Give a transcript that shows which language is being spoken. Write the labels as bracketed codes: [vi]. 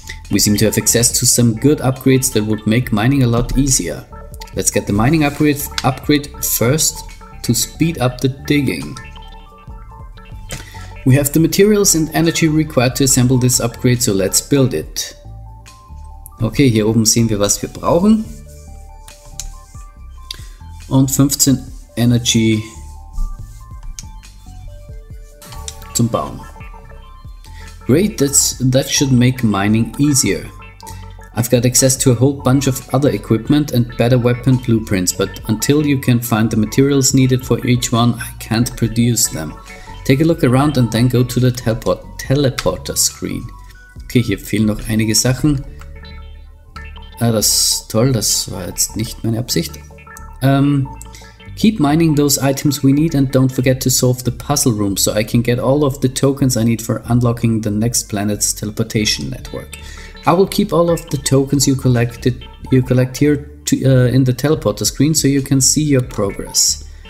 [en] We seem to have access to some good upgrades that would make mining a lot easier. Let's get the mining upgrade first to speed up the digging. We have the materials and energy required to assemble this upgrade, so let's build it. [de] Okay, hier oben sehen wir, was wir brauchen. Und 15 Energy zum Bauen. [en] Great, that should make mining easier. I've got access to a whole bunch of other equipment and better weapon blueprints, but until you can find the materials needed for each one, I can't produce them. Take a look around and then go to the teleporter screen. [de] Okay, hier fehlen noch einige Sachen. Ah, das ist toll, das war jetzt nicht meine Absicht. [en] Keep mining those items we need and don't forget to solve the puzzle room so I can get all of the tokens I need for unlocking the next planet's teleportation network. I will keep all of the tokens you collect here in the teleporter screen so you can see your progress.